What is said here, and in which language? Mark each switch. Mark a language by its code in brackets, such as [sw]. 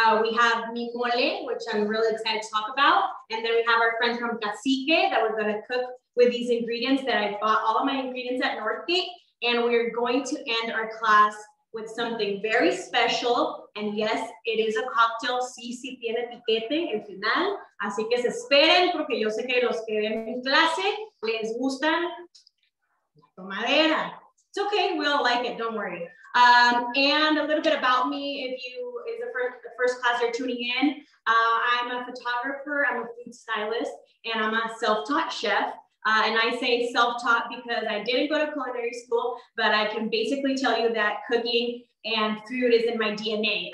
[en] We have Mi Mole, which I'm really excited to talk about. And then we have our friend from Cacique that we're gonna cook with these ingredients that I bought all of my ingredients at Northgate. And we're going to end our class with something very special. And yes, it is a cocktail. [es] Sí, sí tiene piquete, el final. Así que se esperen, porque yo sé que los que ven mi clase les gustan la tomadera. [en] It's okay, we all like it, don't worry. And a little bit about me, if you is the first class you're tuning in. I'm a photographer, I'm a food stylist, and I'm a self-taught chef. And I say self-taught because I didn't go to culinary school, but I can basically tell you that cooking and food is in my DNA.